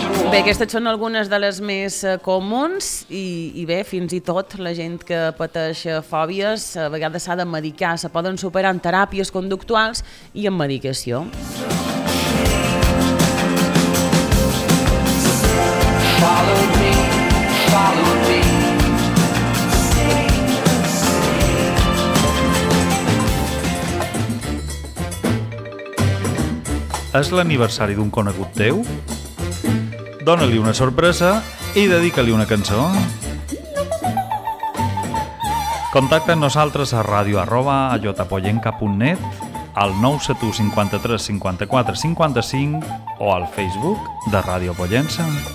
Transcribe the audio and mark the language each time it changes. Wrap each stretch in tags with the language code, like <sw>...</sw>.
<ca>Bé, aquestes són algunes de les més comuns, i bé, fins i tot la gent que pateix fòbies a vegades s'ha de medicar, se poden superar en teràpies conductuals i en medicació.</ca> <en>Follow me, follow me. Sing, sing.</en> <ca>és l'aniversari d'un conegut teu? Dóna-li una sorpresa i dedica-li una cançó. Contacta amb nosaltres a radio@ajotapollenca.net, al 971 53 54 55 o al Facebook de Ràdio Pollença.</ca>